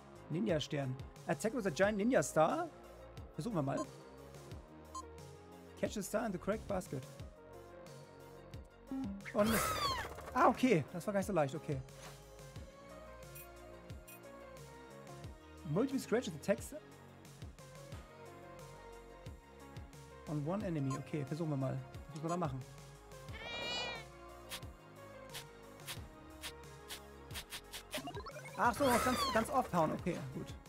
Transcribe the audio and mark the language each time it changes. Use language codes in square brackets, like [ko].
[de] Ninja-Stern. [en] Attack with a giant Ninja-Star? [de] Versuchen wir mal. [en] Catch the star in the correct basket. [de] Und... Ah, okay. Das war gar nicht so leicht. Okay. [en] Multiple scratches attacks on one enemy. [de] Okay, versuchen wir mal. Was müssen wir da machen? Ach so, ganz oft hauen. Okay, gut.